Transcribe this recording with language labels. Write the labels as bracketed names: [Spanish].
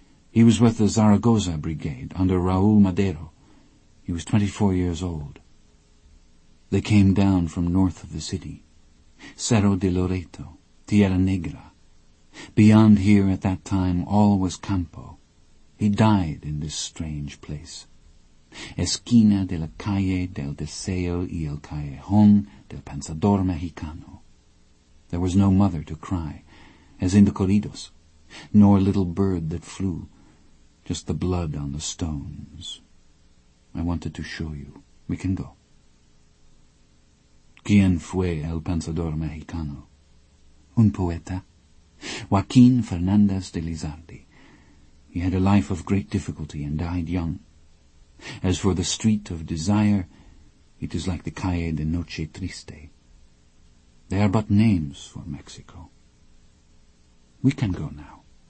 [English] He was with the Zaragoza Brigade under Raúl Madero. He was 24 years old. They came down from north of the city, Cerro de Loreto, Tierra Negra. Beyond here at that time, all was campo. He died in this strange place. [Spanish] Esquina de la calle del Deseo y el callejón del Pensador Mexicano. [English] There was no mother to cry, as in the corridos, nor little bird that flew, just the blood on the stones. I wanted to show you. We can go." [Spanish] "Quién fue el Pensador Mexicano?" "Un poeta. Joaquín Fernández de Lizardi. [English] He had a life of great difficulty and died young. As for the Street of Desire, it is like the Calle de Noche Triste. They are but names for Mexico. We can go now."